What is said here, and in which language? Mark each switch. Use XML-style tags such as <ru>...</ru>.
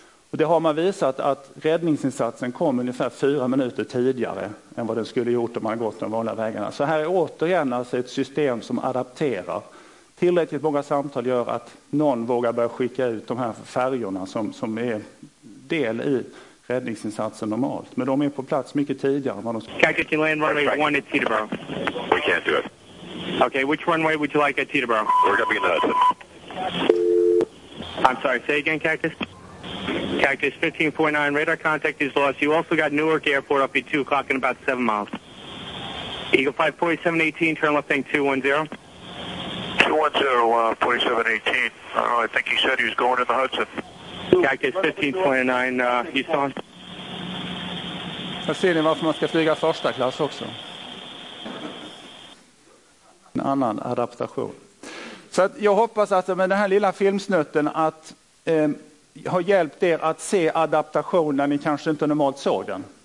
<sv>Och det har man visat att räddningsinsatsen kom ungefär 4 minuter tidigare än vad den skulle gjort om man gått de vanliga vägarna. Så här är återigen alltså ett system som adapterar. Tillräckligt många samtal gör att någon vågar börja skicka ut de här färjorna som är del i räddningsinsatsen normalt. Men de är på plats mycket tidigare än vad de</sv> <en>skulle. Can I get you land runway 1 at Teterboro? We can't do it. Okay, which runway would you like at Teterboro? We're going to be in the Hudson. I'm sorry, say again, Cactus. Cactus 1549, radar contact is lost. You also got Newark Airport up at 2 o'clock in about 7 miles. Eagle 5, 4718, turn left bank 210. 210, 4718. I think he said he was going in the Hudson. Cactus 1529, he's on.</en> <sv>Jag ser ni varför man ska flyga första klass också. En annan adaptation. Så att jag hoppas att med den här lilla filmsnutten att har hjälpt er att se adaptation när ni kanske inte normalt såg den.</sv>